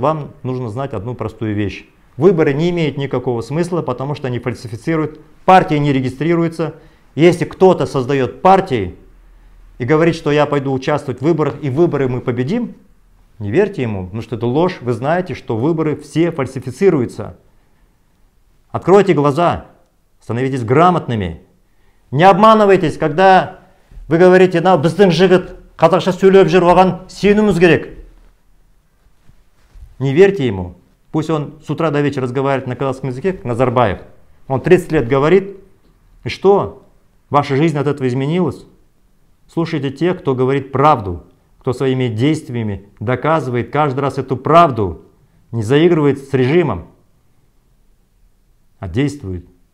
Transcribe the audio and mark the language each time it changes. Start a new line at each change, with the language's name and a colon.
Russian: Вам нужно знать одну простую вещь. Выборы не имеют никакого смысла, потому что они фальсифицируют, партии не регистрируются. Если кто-то создает партии и говорит, что я пойду участвовать в выборах, и выборы мы победим, не верьте ему, потому что это ложь. Вы знаете, что выборы все фальсифицируются. Откройте глаза, становитесь грамотными. Не обманывайтесь, когда вы говорите, на
Kazakh: біздің жігіт қазақша сөйлеп жүр, оған сенуіміз керек.
Russian: Не верьте ему. Пусть он с утра до вечера разговаривает на казахском языке, как Назарбаев. Он 30 лет говорит, и что? Ваша жизнь от этого изменилась? Слушайте тех, кто говорит правду, кто своими действиями доказывает каждый раз эту правду, не заигрывает с режимом, а действует.